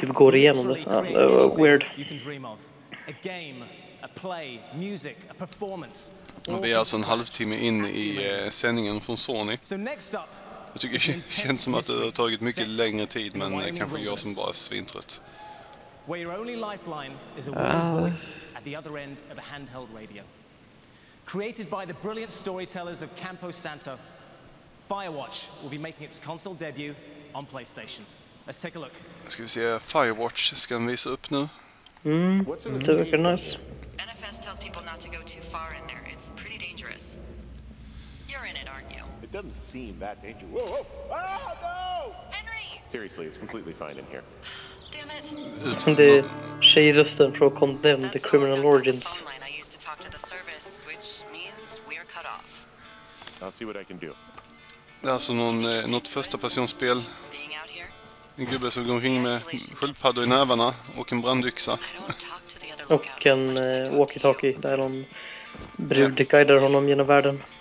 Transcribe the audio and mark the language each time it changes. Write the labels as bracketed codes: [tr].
[sv] Typ går igenom det. Ja, det var weird. [en] A game, a play, music, a performance. [sv] Vi är alltså en halvtimme in i sändningen från Sony. Jag tycker det känns som att det har tagit mycket längre tid, men kanske jag som bara svintrött. [en] Your only lifeline is a woman's voice at the other end of a handheld radio. Created by the brilliant storytellers of Campo Santo, Firewatch will be making its console debut on PlayStation. Let's take a look. [sv] Ska vi se, Firewatch ska den visa upp nu. Mm, det är verkligen nice. [en] NFS tells people not to go too far in there. It's pretty dangerous. You're in it, aren't you? It doesn't seem that dangerous. Whoa, whoa! Ah, no! Henry! Seriously, it's completely fine in here. Damn it! [sv] Det är tjejrösten från Condemned, The Criminal Origins. [en] That's the phone line I used to talk to the service, which means we're cut off. I'll see what I can do. [sv] Det är alltså något första personspel. En gubbe som går omkring med sköldpaddor i nävarna och en brandyxa. Och en walkie-talkie där någon brud guidar honom genom världen.